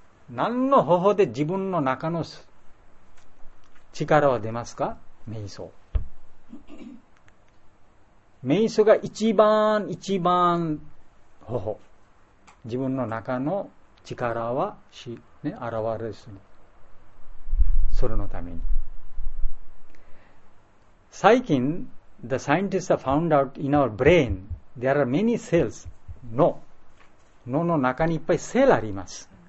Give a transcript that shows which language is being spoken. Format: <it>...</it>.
<ja>何の方法で自分の中の力は出ますか？瞑想。瞑想が一番方法。自分の中の力は、ね、現れる。それのために。最近、</ja> <en>the scientists have found out in our brain, there are many cells. No.</en> <ja>No の中にいっぱいセルあります。</ja>